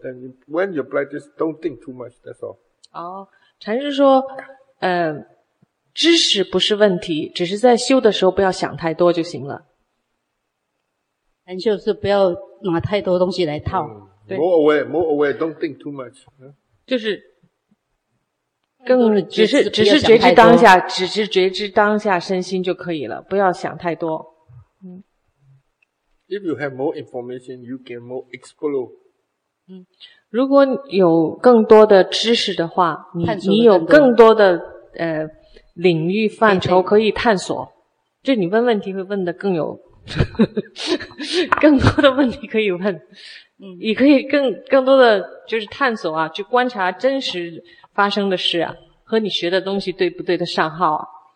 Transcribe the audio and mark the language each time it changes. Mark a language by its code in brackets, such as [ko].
[en] Then when you practice, don't think too much, that's all. [zh] 哦，禅师说，知识不是问题，只是在修的时候不要想太多就行了。禅修是不要拿太多东西来套。 [en] More aware, more aware, don't think too much. [zh] 就是更只是觉知当下，只是觉知当下身心就可以了，不要想太多。 [en] If you have more information, you can more explore. [zh] 如果有更多的知识的话，你有更多的领域范畴可以探索，就你问问题会问得更有更多的问题可以问，嗯，也可以更多的就是探索啊，去观察真实发生的事啊，和你学的东西对不对的上号啊。